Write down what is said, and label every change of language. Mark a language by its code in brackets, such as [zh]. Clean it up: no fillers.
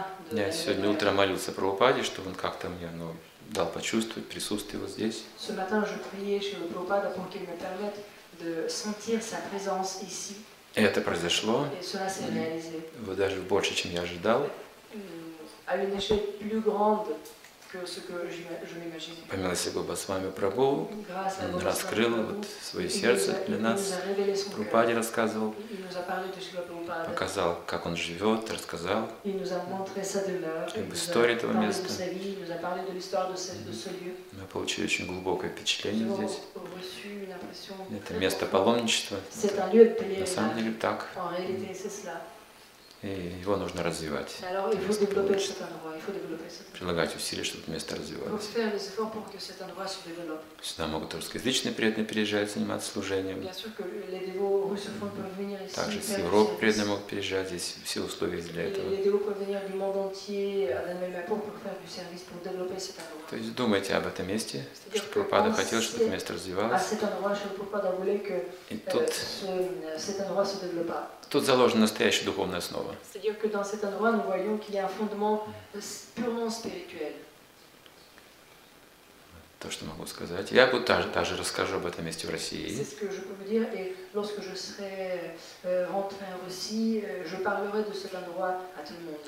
[ru] Я сегодня утром молился Прабхупаде, чтобы он как-то мне дал почувствовать присутствие вот здесь. [fr] Ce matin, je priais chez le Prabhupada pour qu'il me permette de sentir sa présence ici. [ru] И это произошло. [fr] Et cela s'est réalisé. [ru] Вот даже больше, чем я ожидал. [fr] À une échelle plus grande que ce que je m'imaginais. [ru] По милости Бабасвами Прабху, он раскрыл вот свое сердце для нас. Прабхупаде рассказывал. [fr] Il nous a parlé de Shiva Prabhupada. [ru] Показал, как он живет, рассказал. [fr] Il nous a montré sa demeure. [ru] Об истории этого места. [fr] Il nous a parlé de l'histoire de ce lieu. [ru] Мы получили очень глубокое впечатление здесь. [fr] Nous avons reçu une impression. [ru] Это место паломничества. [fr] C'est un lieu de pèlerinage. [ru] На самом деле так. [fr] En réalité, c'est cela. [ru] И его нужно развивать. [fr] Alors, il faut développer cet endroit. Il faut développer cet endroit. [ru] Прилагать усилия, чтобы это место развивалось. [fr] Faut faire des efforts pour que cet endroit se développe. [ru] Сюда могут русскоязычные преданные приезжать, заниматься служением. [fr] Bien sûr que les dévots russes font peuvent venir ici. [ru] Также с Европы преданные могут приезжать здесь, все условия для этого. [fr] Les dévots peuvent venir du monde entier à la même époque pour faire du service pour développer cet endroit. [ru] То есть думайте об этом месте, что Прабхупада хотел, чтобы это место развивалось. [fr] À cet endroit, [ru] что Прабхупада [fr] voulait que cet endroit se développe. [ru] Тут заложена настоящая духовная основа. [fr] C'est-à-dire que dans cet endroit, nous voyons qu'il y a un fondement purement spirituel. [ru] То, что могу сказать. Я буду также расскажу об этом месте в России. [fr] C'est ce que je peux vous dire. Et lorsque je serai rentré en Russie, je parlerai de cet endroit à tout le monde.